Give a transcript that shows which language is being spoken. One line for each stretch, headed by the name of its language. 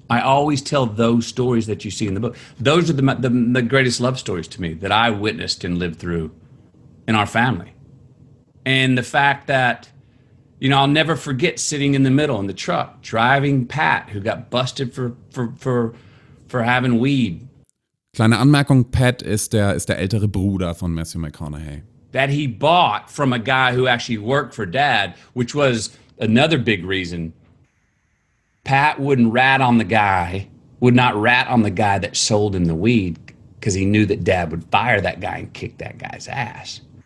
English: I always tell those stories that you see in the book. Those are the greatest love stories to me that I witnessed and lived through in our family. And the fact that, you know, I'll never forget sitting in the middle in the truck, driving Pat, who got busted for having weed.
German: Kleine Anmerkung, Pat ist der ältere Bruder von Matthew McConaughey.
English: That he bought from a guy who actually worked for Dad, which was another big reason. Pat would not rat on the guy that sold him the weed, because he knew that Dad would fire that guy and kick that guy's ass.